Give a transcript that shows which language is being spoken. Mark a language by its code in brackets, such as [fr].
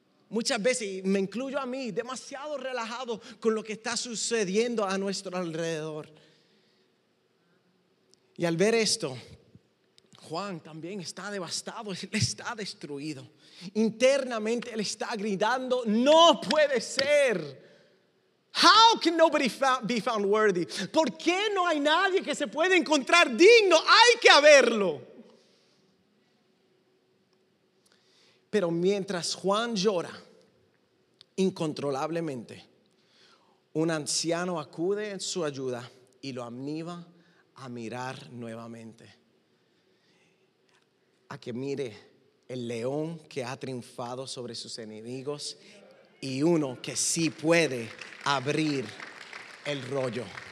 [es] Muchas veces, y me incluyo a mí, demasiado relajado con lo que está sucediendo a nuestro alrededor. Y al ver esto, Juan también está devastado, él está destruido. Internamente él está gritando: no puede ser. [en] How can nobody be found worthy? [es] ¿Por qué no hay nadie que se pueda encontrar digno? Hay que haberlo. Pero mientras Juan llora incontrolablemente, un anciano acude en su ayuda y lo anima a mirar nuevamente, a que mire el león que ha triunfado sobre sus enemigos y uno que sí puede abrir el rollo.